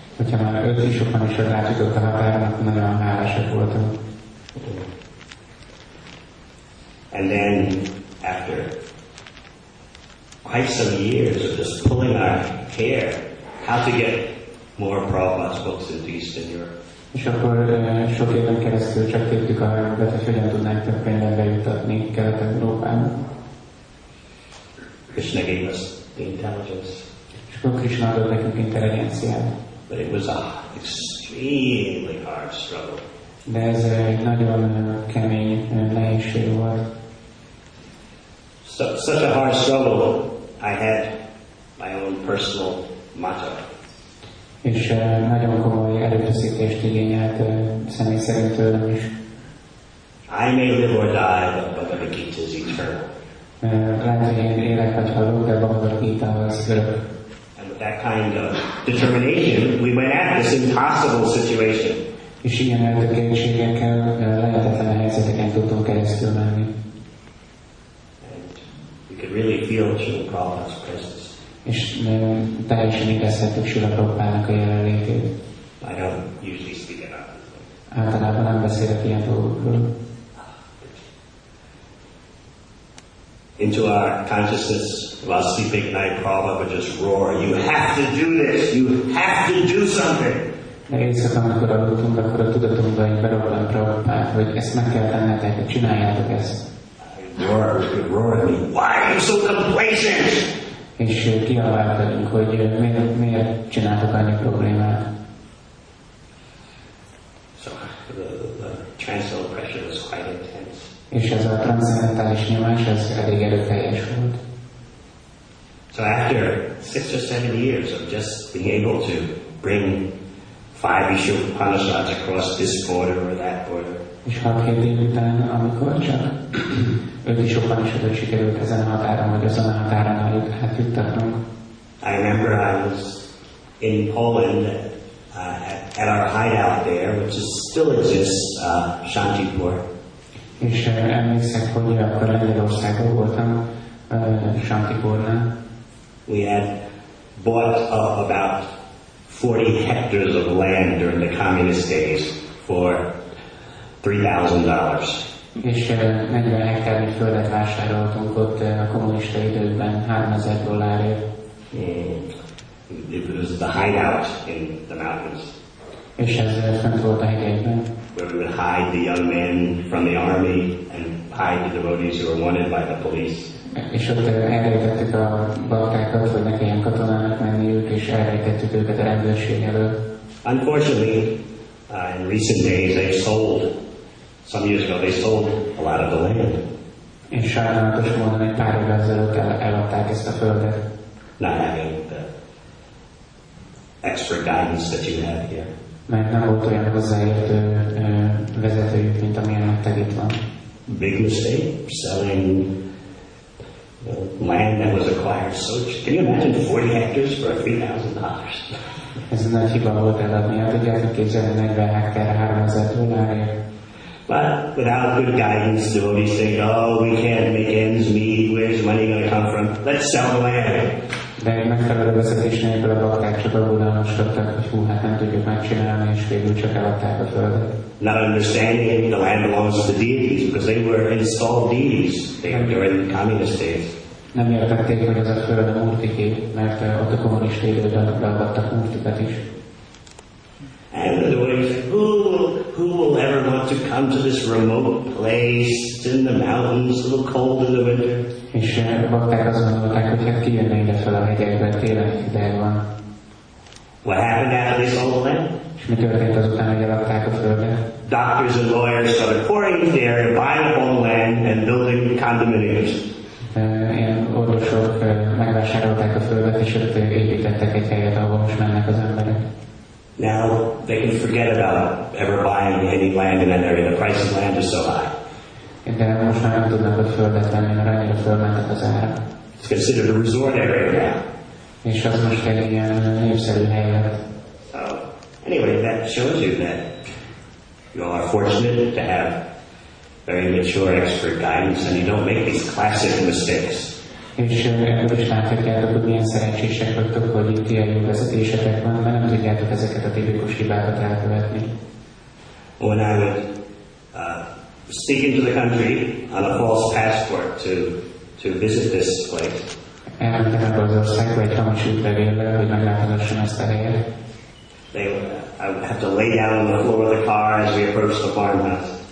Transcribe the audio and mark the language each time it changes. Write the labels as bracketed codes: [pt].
[hu] Hogyha már 5 Isopanishad átjutott a határon, akkor nagyon hálásak voltunk. [en] And then, after quite some years of just pulling our hair, how to get more Prabhupada's books into Eastern Europe. [hu] És akkor sok éven keresztül csak tettük a helyünket, hogy hogyan tudnánk több könyvet bejutatni Kelet-Európán. [en] Krishna gave us the intelligence. [hu] És akkor Krishna adott nekünk intelligenciát. [en] But it was an extremely hard struggle. [hu] De ez egy nagyon kemény nehézség volt. [en] So, such a hard struggle, I had my own personal motto. [hu] És nagyon komoly erőfeszítést igényelt személy szerint tőlem is. [en] I may live or die, but Bhagavad Gita is eternal. [hu] Lehet, hogy én élek vagy halok, de Bhagavad Gita az örök. [en] And with that kind of determination, we went at this impossible situation. [hu] És ilyen eltökéltségekkel lehetetlen helyzeteken tudtunk keresztül menni. [en] Really feel Srila Prabhupada's presence. [hu] És teljesen érezhetjük Srila Prabhupádnak a jelenlétét. [en] I don't usually speak about this. [hu] Általában nem beszélek ilyen dolgokról. [en] Into our consciousness while sleeping at night, Prabhupada would just roar, you have to do this, you have to do something. [hu] Éjszakán, amikor aludtunk, akkor a tudatunkba így berobbant Prabhupád, hogy ezt meg kell tennetek, csináljátok ezt. [en] Roar at me. Why are you so complacent? [hu] És kiabáltatunk, hogy miért csináltok annyi problémát. [en] So the transcendental pressure was quite intense. [hu] És ez a transzendentális nyomás, ez elég erőteljes volt. [en] So after 6 or 7 years of just being able to bring 5 Isopanishads across this border or that border. [hu] És 6-7 év után, amikor csak 5 Isopanishadot sikerült ezen a határon, vagy azon a határon eljuttatnunk. [en] I remember I was in Poland at our hideout there, which is still exists, Shantipur. [hu] És emlékszem, hogy akkor Lengyelországban voltam, Shantipurnál. [en] We had bought up about 40 hectares of land during the communist days for $3,000. [hu] És 40 hektárnyi földet vásároltunk ott a kommunista időkben $3,000. [en] It was the hideout in the mountains. [hu] És ez fent volt a hegyekben. [en] Where we would hide the young men from the army and hide the devotees who were wanted by the police. [hu] És ott elrejtettük a baktákat, hogy ne kelljen katonának menniük, és elrejtettük őket a rendőrség elől. [en] Unfortunately, in recent days they sold. Some years ago, they sold a lot of the land. [hu] És sajnálatos módon egy pár évvel ezelőtt eladták ezt a földet. [en] Not having the extra guidance that you have here. [hu] Mert nem volt olyan hozzáértő vezetőjük, mint amilyen nektek itt van. [en] Big mistake, selling land that was acquired so cheap. Can you imagine 40 hectares for $3,000? [hu] Ez nagy hiba volt eladni, hát ugye azért képzelni 40 hektár $3,000. [en] But without good guidance, devotees think, oh, we can't make ends meet, where's money going to come from? Let's sell the land. [hu] De egy megfelelő vezetés nélkül a bakták csak aggodalmaskodtak, hogy hú, hát nem tudjuk megcsinálni, és végül csak eladták a földet. [en] Not understanding it, the land belongs to the deities, because they were installed deities during the communist days. [hu] Nem értették, hogy az a föld a murtiké, mert ott a kommunista időben beadtak murtikat is. [en] And the devotees, who will ever want to come to this remote place in the mountains, a little cold in the winter? [hu] És bakták azt gondolták, hogy hát kijönne ide fel a hegyekben, télen hideg van. [en] What happened after they sold the land? [hu] És mi történt azután, hogy eladták a földet? [en] Doctors and lawyers started pouring there to buy the whole land and building condominiums. [hu] Ilyen orvosok megvásárolták a földet, és ott építettek egy helyet, ahol most mennek az emberek. [en] Now they can forget about ever buying any land in that area. The price of land is so high. [hu] De most már nem tudnak ott földet venni, mert annyira fölmentek az ára. [en] It's considered a resort area now. [hu] És az most egy ilyen népszerű hely lett. [en] Anyway, that shows you that you are fortunate to have very mature expert guidance and you don't make these classic mistakes. [hu] És ebből is láthatjátok, hogy milyen szerencsések vagytok, hogy itt ilyen jó vezetésetek van, mert nem tudjátok ezeket a tipikus hibákat elkövetni. [en] When I would sneak into the country on a false passport to visit this place. [hu] Elmentem ebbe az országba egy hamis útlevéllel, hogy meglátogassam ezt a helyet. [en] I would have to lay down on the floor of the car as we approached the farmhouse.